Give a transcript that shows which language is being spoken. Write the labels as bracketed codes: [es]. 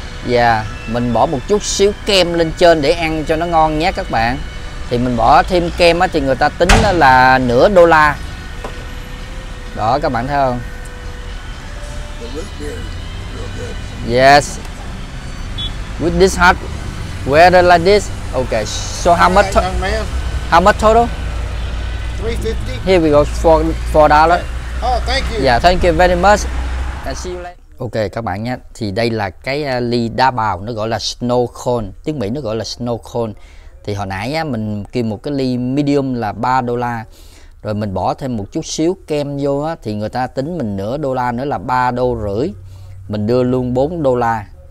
[vi] Yeah, mình bỏ một chút xíu kem lên trên để ăn cho nó ngon nhé các bạn. Thì mình bỏ thêm kem á thì người ta tính là nửa đô la. Đó các bạn thấy không? Yes. [en] with this hat, wear it like this. Okay, so how all much? Right, young man. How much total? $350. Here we go, $4. Okay. Oh, thank you. Yeah, thank you very much. I'll see you later. [vi] Ok các bạn nhé, thì đây là cái ly đá bào, nó gọi là snow cone, tiếng Mỹ nó gọi là snow cone. Thì hồi nãy á, mình kêu một cái ly medium là $3, rồi mình bỏ thêm một chút xíu kem vô á, thì người ta tính mình nửa đô la nữa là $3.50, mình đưa luôn $4.